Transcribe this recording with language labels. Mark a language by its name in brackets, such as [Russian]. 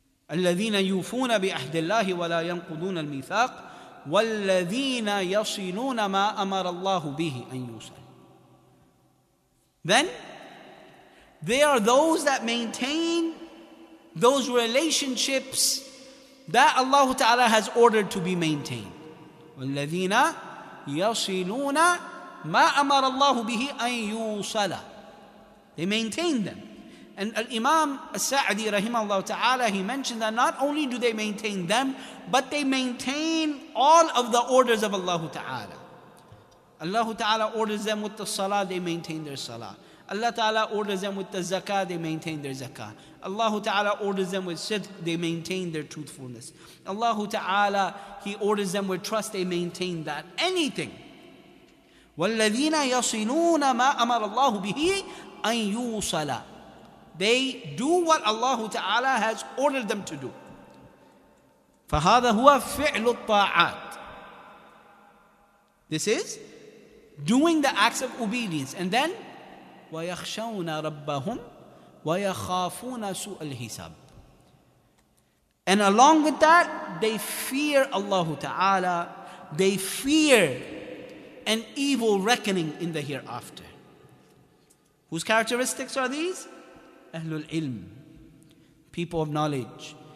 [Arabic] الَّذِينَ يُوفُونَ بِأَحْدِ اللَّهِ وَلَا يَنْقُضُونَ الْمِيثَاقِ وَالَّذِينَ يَصِلُونَ مَا أَمَرَ اللَّهُ بِهِ أَنْ يُوصَلُ. [English] Then, they are those that maintain those relationships that Allah Ta'ala has ordered to be maintained. [Arabic] وَالَّذِينَ يَصِلُونَ مَا أَمَرَ اللَّهُ بِهِ أَنْ يُوصَلَ. [English] They maintain them. And Al-Imam As-Sa'di rahimahullah ta'ala, he mentioned that not only do they maintain them, but they maintain all of the orders of Allah ta'ala. Allah ta'ala orders them with the salah, they maintain their salah. Allah ta'ala orders them with the zakah, they maintain their zakah. Allah ta'ala orders them with sidq, they maintain their truthfulness. Allah ta'ala, he orders them with trust, they maintain that. Anything. [Arabic] وَالَّذِينَ يَصِلُونَ مَا أَمَرَ اللَّهُ بِهِ أَنْ يُوصَلَ. [English] They do what Allah ta'ala has ordered them to do. [Arabic] فَهَذَا هُوَ فِعْلُ الطَّاعَاتِ. [English] This is doing the acts of obedience. And then, [Arabic] وَيَخْشَوْنَ رَبَّهُمْ وَيَخَافُونَ سُوءَ الْحِسَابِ. [English] And along with that, they fear Allah ta'ala. They fear an evil reckoning in the hereafter. Whose characteristics are these? Ahlul ilm, people of knowledge.